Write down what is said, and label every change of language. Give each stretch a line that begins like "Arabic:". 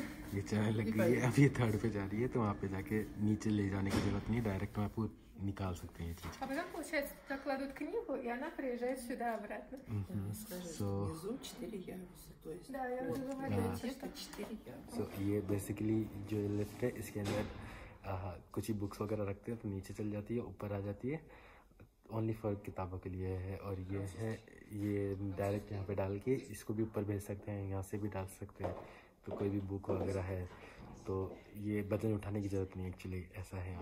Hindi: ये चाय लग गई है, अब ये थर्ड पे जा रही है तो वहाँ पे जाके नीचे ले जाने की जरूरत नहीं, डायरेक्ट वहाँ पे निकाल सकते हैं।
Russian: अब потом получается так кладут книгу и она приезжает сюда обратно. Внизу четыре яруса, то есть. Да, я уже говорила, что это четыре яруса.
Hindi: ये बेसिकली जो लिफ्ट है इसके अंदर कुछ ही बुक्स वगैरह रखते हैं तो नीचे चल जाती है ऊपर आ जाती है, ओनली फॉर किताबों के लिए है। और ये है ये डायरेक्ट यहाँ पे डाल के इसको भी ऊपर भेज सकते हैं, यहाँ से भी डाल सकते हैं तो कोई भी बुक वगैरह है तो ये बटन उठाने की जरूरत नहीं एक्चुअली ऐसा है।